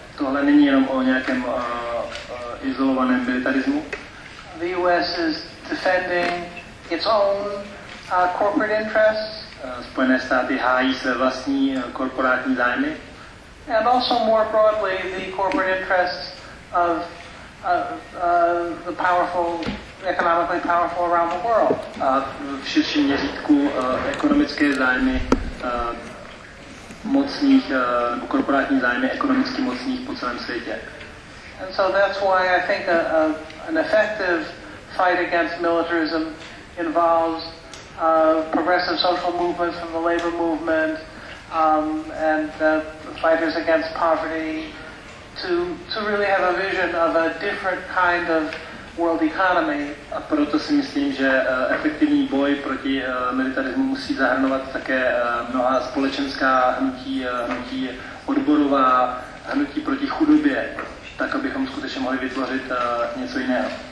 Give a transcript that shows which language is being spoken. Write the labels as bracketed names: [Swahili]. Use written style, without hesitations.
[Czech] Tohle není jenom o nějakém izolovaném militarismu. [English] The US is defending its own corporate interests. [Czech] Spojené státy hájí své vlastní korporátní zájmy. [English] And also more broadly the corporate interests of the powerful economically powerful around the world. [Czech] A v širším měřítku ekonomické zájmy mocných nebo korporátní zájmy ekonomicky mocných po celém světě. [English] And so that's why I think an effective fight against militarism involves progressive social movements from the labor movement and fighters against poverty to really have a vision of a different kind of world economy. [Czech] A proto si myslím, že efektivní boj proti militarismu musí zahrnovat také mnoha společenská hnutí, hnutí odborová, hnutí proti chudobě, tak abychom skutečně mohli vytvořit něco jiného.